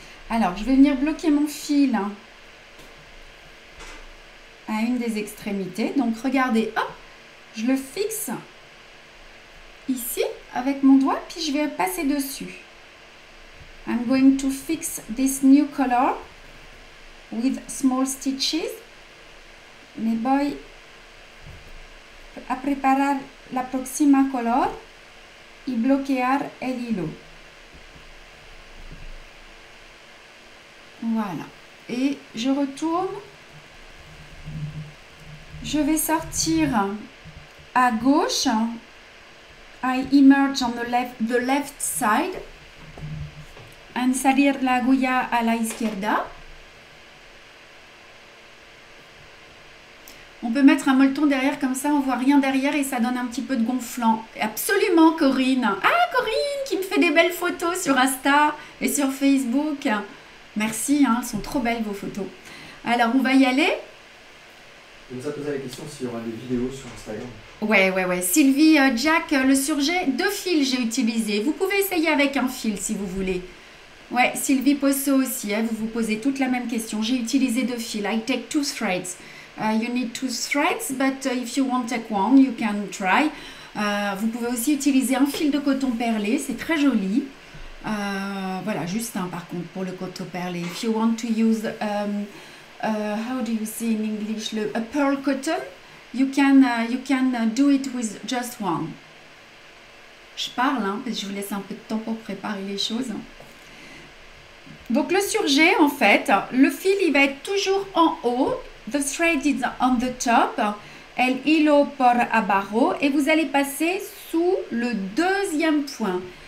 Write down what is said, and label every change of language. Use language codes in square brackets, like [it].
[fr] Alors, je vais venir bloquer mon fil à une des extrémités. Donc, regardez, hop, je le fixe ici avec mon doigt, puis je vais passer dessus. [en] I'm going to fix this new color with small stitches. Mes boys. [es] a preparar la próxima color y bloquear el hilo. [fr] Voilà. Et je retourne. Je vais sortir à gauche. [en] I emerge on the left side. [es] And salir la aguja a la izquierda. [fr] On peut mettre un molleton derrière comme ça, on voit rien derrière et ça donne un petit peu de gonflant. Absolument, Corinne. Ah, Corinne, qui me fait des belles photos sur Insta et sur Facebook. Merci, hein, elles sont trop belles vos photos. Alors, on va y aller. On nous a posé la question s'il y aura des vidéos sur Instagram. Ouais, ouais, ouais. Sylvie, Jack, le surjet, deux fils j'ai utilisé. Vous pouvez essayer avec un fil si vous voulez. Ouais, Sylvie Posso aussi, hein, vous vous posez toute la même question. J'ai utilisé deux fils. [en] I take two threads. You need two threads, but if you want to take one, you can try. [fr] Vous pouvez aussi utiliser un fil de coton perlé, c'est très joli. Voilà, juste un par contre pour le coton perlé. [en] If you want to use, how do you say in English, a pearl cotton, you can do it with just one. [fr] Je parle, hein, parce que je vous laisse un peu de temps pour préparer les choses. Donc le surjet, en fait, le fil, il va être toujours en haut. [en] The thread is on the top, [es] el hilo por abajo, [fr] et vous allez passer sous le deuxième point.